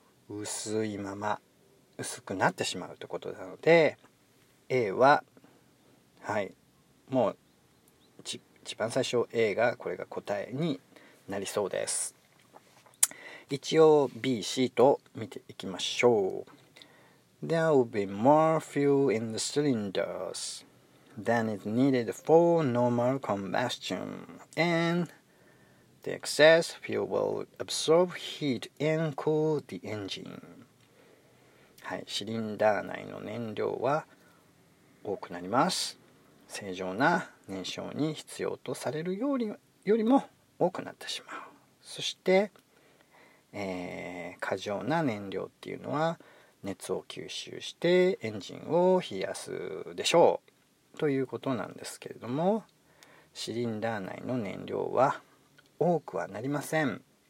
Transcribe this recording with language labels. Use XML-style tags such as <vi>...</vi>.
<ja>薄いまま薄くなってしまうということなので、A は、はい、もう一番最初 A がこれが答えになりそうです。一応 B、C と見ていきましょう。</ja> <en>There will be more fuel in the cylinders than is needed for normal combustion and the excess fuel will absorb heat and cool the engine.</en> <ja>はい、シリンダー内の燃料は多くなります。正常な燃焼に必要とされるよりも多くなってしまう。そして、過剰な燃料っていうのは熱を吸収してエンジンを冷やすでしょうということなんですけれども、シリンダー内の燃料は多くはなりません。</ja>